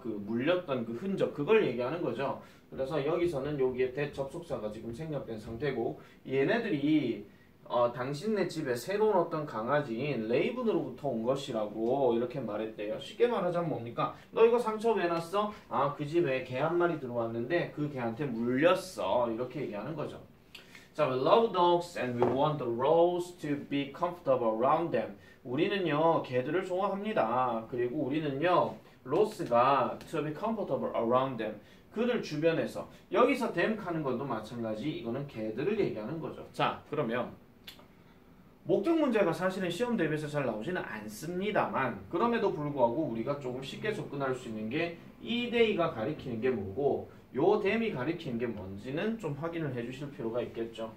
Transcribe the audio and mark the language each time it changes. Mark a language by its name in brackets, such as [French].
[Korean] 그 물렸던 그 흔적. 그걸 얘기하는 거죠. 그래서 여기서는 여기에 대접속사가 지금 생략된 상태고, 얘네들이 당신네 집에 새로운 어떤 강아지인 레이븐으로부터 온 것이라고 이렇게 말했대요. 쉽게 말하자면 뭡니까? 너 이거 상처 왜 났어? 아, 그 집에 개한 마리 들어왔는데 그 개한테 물렸어. 이렇게 얘기하는 거죠. [English] 자, we love dogs and we want the Rose to be comfortable around them. [Korean] 우리는요, 개들을 좋아합니다. 그리고 우리는요, 로스가 [English] to be comfortable around them. [Korean] 그들 주변에서. 여기서 them 하는 것도 마찬가지. 이거는 개들을 얘기하는 거죠. 자, 그러면 목적 문제가 사실은 시험 대비해서 잘 나오지는 않습니다만, 그럼에도 불구하고 우리가 조금 쉽게 접근할 수 있는 게이 데이가 가리키는 게 뭐고, 요 댐이 가리키는 게 뭔지는 좀 확인을 해주실 필요가 있겠죠.